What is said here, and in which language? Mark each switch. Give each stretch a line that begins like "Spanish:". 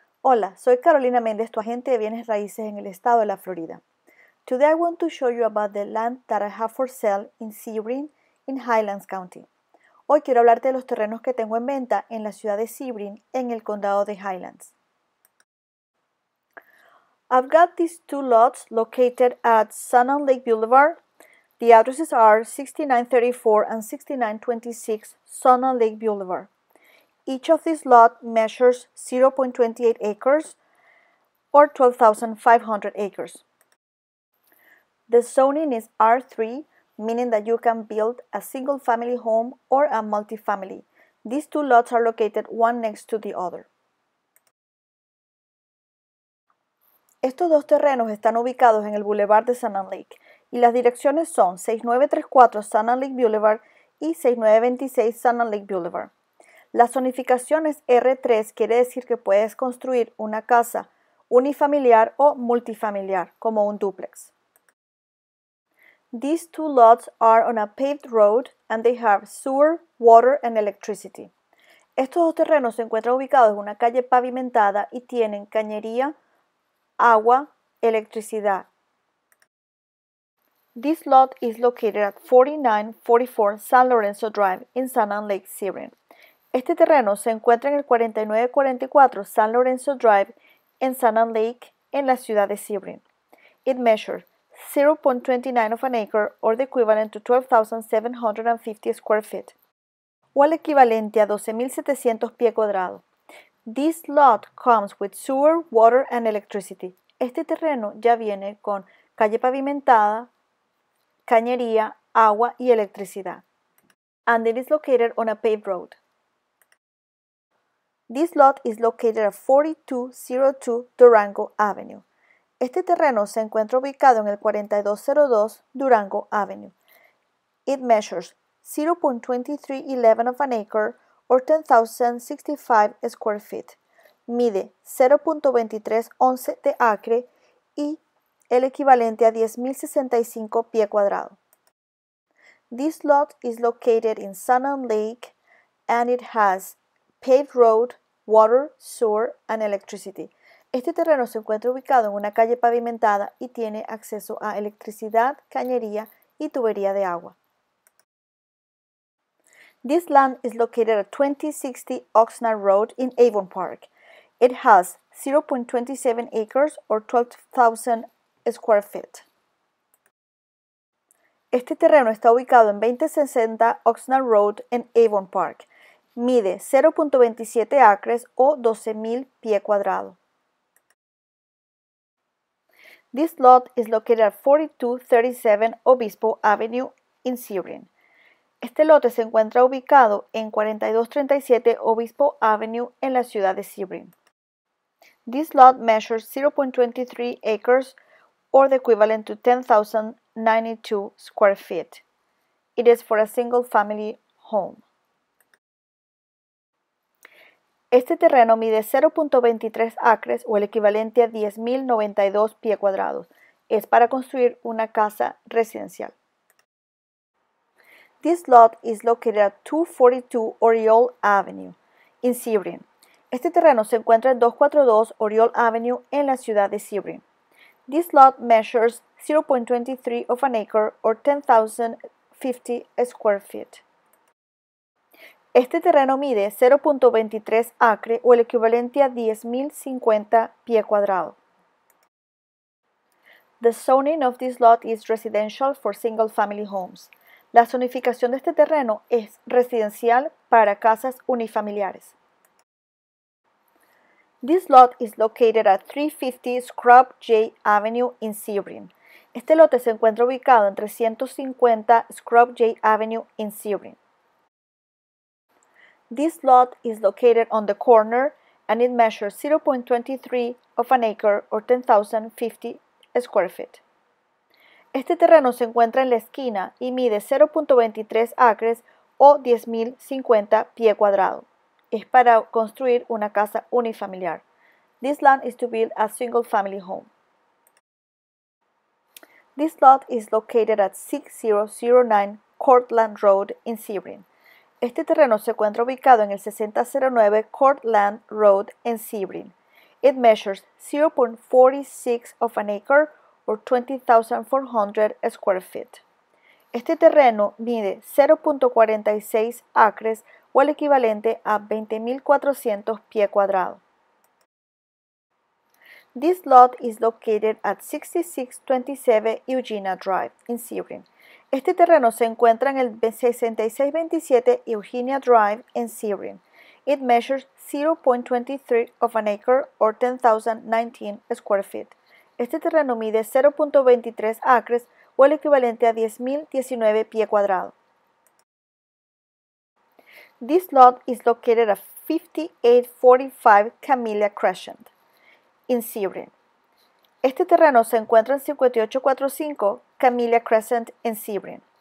Spanish: Hola, soy Carolina Méndez, tu agente de bienes raíces en el estado de la Florida.
English: Today I want to show you about the land that I have for sale in Sebring in Highlands County.
Spanish: Hoy quiero hablarte de los terrenos que tengo en venta en la ciudad de Sebring en el condado de Highlands.
English: I've got these two lots located at Sun on Lake Boulevard. The addresses are 6934 and 6926 Sun on Lake Boulevard. Each of these lots measures 0.28 acres or 12,500 acres. The zoning is R3, meaning that you can build a single family home or a multifamily. These two lots are located one next to the other.
Spanish: Estos dos terrenos están ubicados en el Boulevard de Sun and Lake y las direcciones son 6934 Sun and Lake Boulevard y 6926 Sun and Lake Boulevard. La zonificación es R3, quiere decir que puedes construir una casa unifamiliar o multifamiliar, como un duplex.
English: These two lots are on a paved road and they have sewer, water and electricity.
Spanish: Estos dos terrenos se encuentran ubicados en una calle pavimentada y tienen cañería, agua, electricidad.
English: This lot is located at 4944 San Lorenzo Drive in Sun and Lake Sebring.
Spanish: Este terreno se encuentra en el 4944 San Lorenzo Drive en Sun and Lake en la ciudad de Sebring.
English: It measures 0.29 of an acre or the equivalent to 12,750 square feet,
Spanish: o el equivalente a 12,700 pie cuadrado.
English: This lot comes with sewer, water and electricity.
Spanish: Este terreno ya viene con calle pavimentada, cañería, agua y electricidad.
English: And it is located on a paved road. This lot is located at 4202 Durango Avenue.
Spanish: Este terreno se encuentra ubicado en el 4202 Durango Avenue.
English: It measures 0.2311 of an acre or 10,065 square feet.
Spanish: Mide 0.2311 de acre y el equivalente a 10,065 pie cuadrado.
English: This lot is located in Sun and Lake and it has paved road, water, sewer, and electricity.
Spanish: Este terreno se encuentra ubicado en una calle pavimentada y tiene acceso a electricidad, cañería y tubería de agua.
English: This land is located at 2060 Oxnard Road in Avon Park. It has 0.27 acres or 12,000 square feet.
Spanish: Este terreno está ubicado en 2060 Oxnard Road in Avon Park. Mide 0.27 acres o 12,000 pie cuadrado.
English: This lot is located at 4237 Obispo Avenue in Sebring.
Spanish: Este lote se encuentra ubicado en 4237 Obispo Avenue en la ciudad de Sebring.
English: This lot measures 0.23 acres or the equivalent to 10,092 square feet. It is for a single family home.
Spanish: Este terreno mide 0.23 acres o el equivalente a 10,092 pie cuadrados. Es para construir una casa residencial.
English: This lot is located at 242 Oriole Avenue in Sebring.
Spanish: Este terreno se encuentra en 242 Oriole Avenue en la ciudad de Sebring.
English: This lot measures 0.23 of an acre or 10,050 square feet.
Spanish: Este terreno mide 0.23 acre o el equivalente a 10,050 pie cuadrado.
English: The zoning of this lot is residential for single family homes.
Spanish: La zonificación de este terreno es residencial para casas unifamiliares.
English: This lot is located at 350 Scrub J Avenue in Sebring.
Spanish: Este lote se encuentra ubicado en 350 Scrub J Avenue in Sebring.
English: This lot is located on the corner and it measures 0.23 of an acre or 10,050 square feet.
Spanish: Este terreno se encuentra en la esquina y mide 0.23 acres o 10,050 pie cuadrado. Es para construir una casa unifamiliar.
English: This land is to build a single family home. This lot is located at 6009 Cortland Road in Sebring.
Spanish: Este terreno se encuentra ubicado en el 6009 Cortland Road en Sebring.
English: It measures 0.46 of an acre or 20,400 square feet.
Spanish: Este terreno mide 0.46 acres o el equivalente a 20,400 pie cuadrado.
English: This lot is located at 6627 Eugenia Drive in Sebring.
Spanish: Este terreno se encuentra en el 6627 Eugenia Drive en Sebring.
English: It measures 0.23 of an acre or 10,019 square feet.
Spanish: Este terreno mide 0.23 acres o el equivalente a 10,019 pie cuadrado.
English: This lot is located at 5845 Camellia Crescent in Sebring.
Spanish: Este terreno se encuentra en 5845 Camellia Crescent en Sebring.